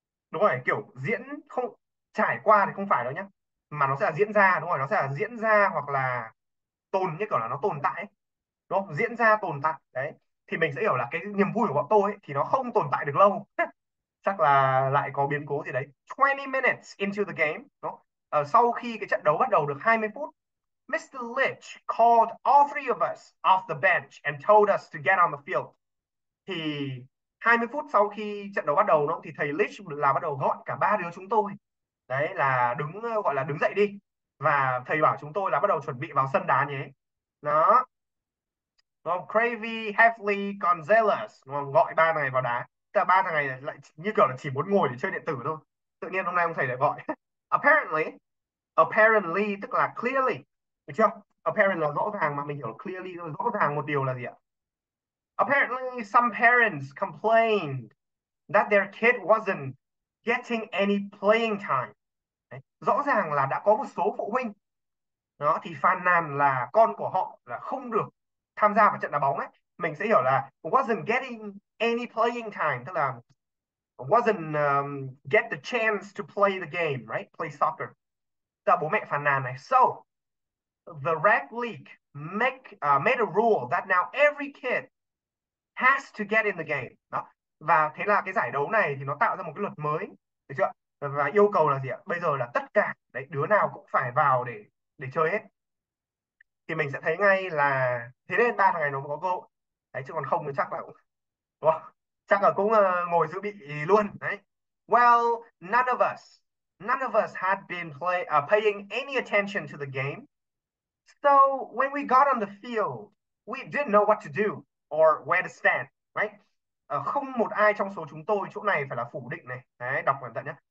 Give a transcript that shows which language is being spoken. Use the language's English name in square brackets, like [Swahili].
[Vietnamese] Đúng rồi, kiểu diễn không trải qua thì không phải đâu nhá, mà nó sẽ là diễn ra, đúng rồi, nó sẽ là diễn ra hoặc là tồn, như kiểu là nó tồn tại ấy. Đúng không? Diễn ra tồn tại đấy, thì mình sẽ hiểu là cái niềm vui của bọn tôi ấy, thì nó không tồn tại được lâu. Chắc là lại có biến cố gì đấy. [English] 20 minutes into the game, [Vietnamese] đúng không? Sau khi cái trận đấu bắt đầu được 20 phút, Mr. [English] Lynch called all three of us off the bench and told us to get on the field. [Vietnamese] Thì 20 phút sau khi trận đấu bắt đầu nó thì thầy Lynch là bắt đầu gọi cả ba đứa chúng tôi. Đấy là đứng, gọi là đứng dậy đi. Và thầy bảo chúng tôi là bắt đầu chuẩn bị vào sân đá nhé. Đó. Đúng không? Cravey, Heffley, Gonzalez, đúng không? Gọi ba này vào đá. Tức là ba thằng này lại như kiểu là chỉ muốn ngồi để chơi điện tử thôi. Tự nhiên hôm nay ông thầy lại gọi. Apparently tức là clearly. Được chưa? Apparently là rõ ràng mà, mình hiểu là clearly rõ ràng một điều là gì ạ? [English] Apparently, some parents complained that their kid wasn't getting any playing time. [Vietnamese] Đấy. Rõ ràng là đã có một số phụ huynh đó thì phàn nàn là con của họ là không được tham gia vào trận đá bóng ấy. Mình sẽ hiểu là [English] wasn't getting any playing time, [Vietnamese] tức là [English] wasn't get the chance to play the game, right? Play soccer. [Vietnamese] Tức là bố mẹ phàn nàn này. [English] So, the rec league made a rule that now every kid has to get in the game. [Vietnamese] Đó. Và thế là cái giải đấu này thì nó tạo ra một cái luật mới, được chưa? Và yêu cầu là gì ạ? Bây giờ là tất cả đấy, đứa nào cũng phải vào để chơi hết. Thì mình sẽ thấy ngay là thế nên ba thằng này nó mới có cơ hội. Đấy, chứ còn không thì chắc là cũng, đúng không? Chắc là cũng ngồi dự bị luôn đấy. [English] Well, none of us had been paying any attention to the game. So when we got on the field, we didn't know what to do or where to stand, right? [Vietnamese] Không một ai trong số chúng tôi, chỗ này phải là phủ định này, đấy, đọc cẩn thận nhé.